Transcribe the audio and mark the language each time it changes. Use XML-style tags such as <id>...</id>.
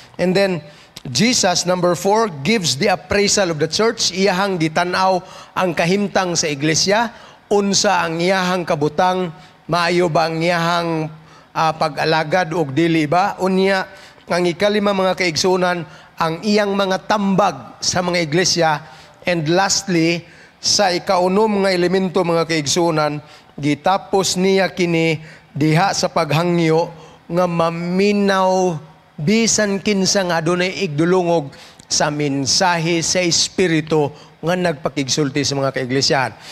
<en>And then, Jesus, number 4, gives the appraisal of the church.</en> <ceb>Iyahang gitanaw ang kahimtang sa iglesia. Unsa ang iyahang kabutang? Maayo ba ang iyahang pag-alagad o dili ba? Unya, ang ikalima, mga kaigsoonan, ang iyang mga tambag sa mga iglesia. And lastly, sa ikaunom nga elemento, mga kaigsoonan, gitapos niya kini diha sa paghangyo nga maminaw bisan kinsang adunay igdulungog sa mensahe sa Espiritu nga nagpakigsulti sa mga kaiglesyahan.</ceb>